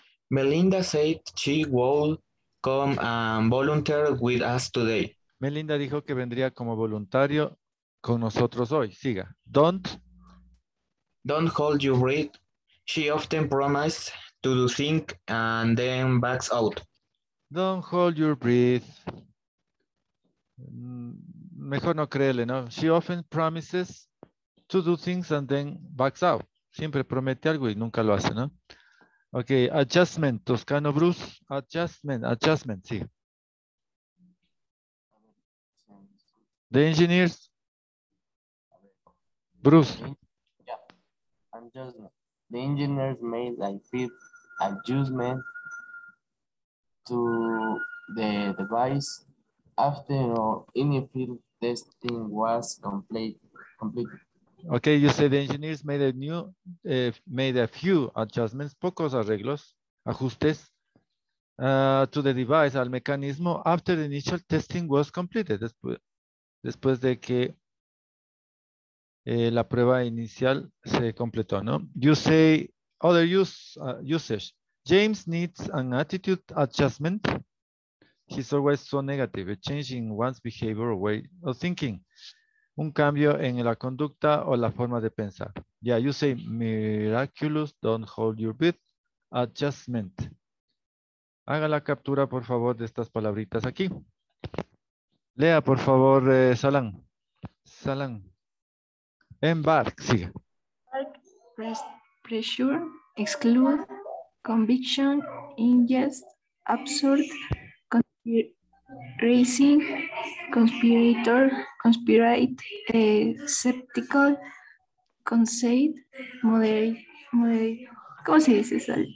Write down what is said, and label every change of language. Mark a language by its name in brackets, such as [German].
[English] Melinda said she would come and volunteer with us today. [Spanish] Melinda dijo que vendría como voluntario con nosotros hoy. Siga. [English] Don't hold your breath. She often promised to do things and then backs out. Don't hold your breath. [Spanish] Mejor no creerle, ¿no? [English] She often promises to do things and then backs out. [Spanish] Siempre promete algo y nunca lo hace, ¿no? [English] Ok, adjustment, Toscano Bruce. Adjustment, sí. The engineers. Bruce. Yeah, the engineers made a fit adjustment to the device after any field testing was complete. Okay, you say the engineers made a few adjustments, [Spanish] pocos arreglos, ajustes [English] to the device, [Spanish] al mecanismo, [English] after the initial testing was completed, [Spanish] después de que la prueba inicial se completó, ¿no? [English] You say other usage. James needs an attitude adjustment. He's always so negative, a change in one's behavior or way of thinking. [Spanish] un cambio en la conducta o la forma de pensar. [English] Yeah, you say miraculous, don't hold your breath, adjustment. [Spanish] Haga la captura, por favor, de estas palabritas aquí. Lea, por favor, Salam. Salam. Embark, sigue. [English] Embark, pressure, exclude, conviction, ingest, absurd, racing, conspirator, conspirate, skeptical, conceit, moderate. [Spanish] ¿Cómo se dice eso?